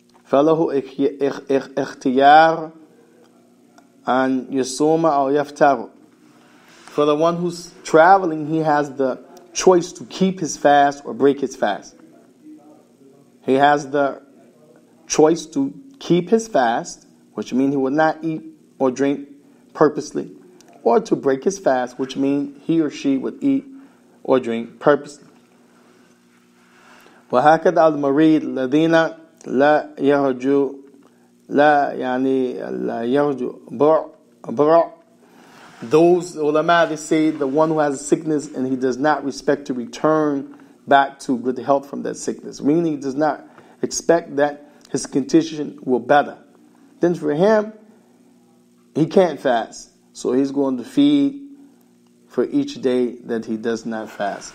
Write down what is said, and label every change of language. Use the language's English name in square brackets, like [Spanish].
[Arabic] فله اختيار أن يصوم أو يفطر. [English] For the one who's traveling, he has the choice to keep his fast or break his fast. He has the choice to keep his fast, which means he will not eat or drink purposely, or to break his fast, which means he or she would eat or drink purposely. [Arabic] وهكذا المريض الذين لا يرجو لا يعني لا يرجو برع. [English] Those ulama, they say the one who has a sickness and he does not expect to return back to good health from that sickness, meaning he does not expect that his condition will better. Then for him, he can't fast. So he's going to feed for each day that he does not fast.